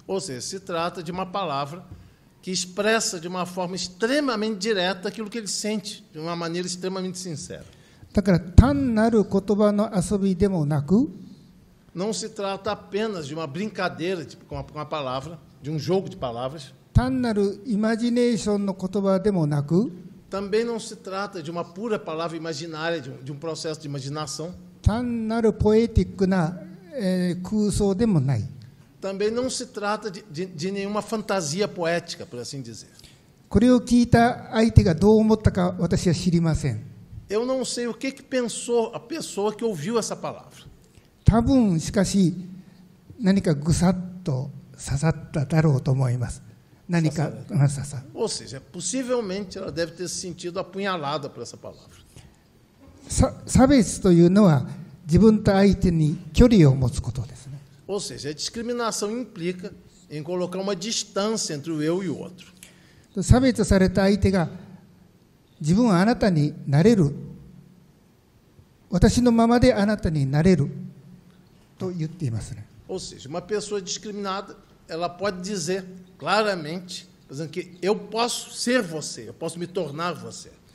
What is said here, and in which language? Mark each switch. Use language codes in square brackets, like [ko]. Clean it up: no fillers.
[pt] Ou seja, se trata de uma palavra que expressa de uma forma extremamente direta aquilo que ele sente, de uma maneira extremamente sincera. [ja] だから単なる言葉の遊びでもなく、 [pt] Não se trata apenas de uma brincadeira com uma palavra, de um jogo de palavras. [ja] 単なるイマジネーションの言葉でもなく、 [pt] Também não se trata de uma pura palavra imaginária, de um processo de imaginação. [ja] 単なるポエティックな空想でもない。 [pt] Também não se trata de nenhuma fantasia poética, por assim dizer. [ja] これを聞いた相手がどう思ったか私は知りません。 [pt] Eu não sei o que que pensou a pessoa que ouviu essa palavra. [ja] 多分しかし何かぐさっと刺さっただろうと思います。何か刺さ。 [pt] Ou seja, possivelmente ela deve ter se sentido apunhalada por essa palavra. [ja] 差別というのは自分と相手に距離を持つことですね。 [pt] Ou seja, a discriminação implica em colocar uma distância entre o eu e o outro. [ja] 差別された相手が自分はあなたになれる、私のままであなたになれると言っていますね。 [pt] Ou seja, uma pessoa discriminada, ela pode dizer claramente, dizendo que eu posso ser você, eu posso me tornar você.